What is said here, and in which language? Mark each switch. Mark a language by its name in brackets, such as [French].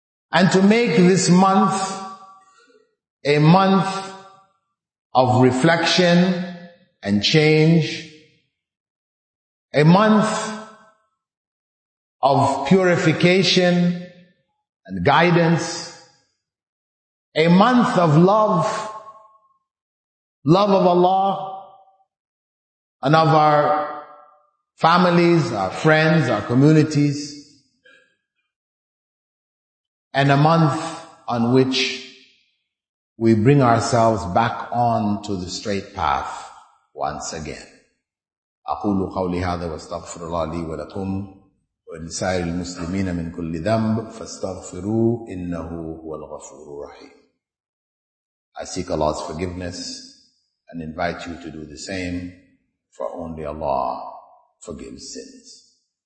[English] and to make this month a month of reflection and change, a month of purification and guidance, a month of love, love of Allah and of our families, our friends, our communities, and a month on which we bring ourselves back on to the straight path once again. [Arabic] أقول قولي هذا واستغفر الله لي ولكم ولسائر المسلمين من كل ذنب فاستغفروا إنه هو الغفور الرحيم. [English] I seek Allah's forgiveness and invite you to do the same, for only Allah forgives sins.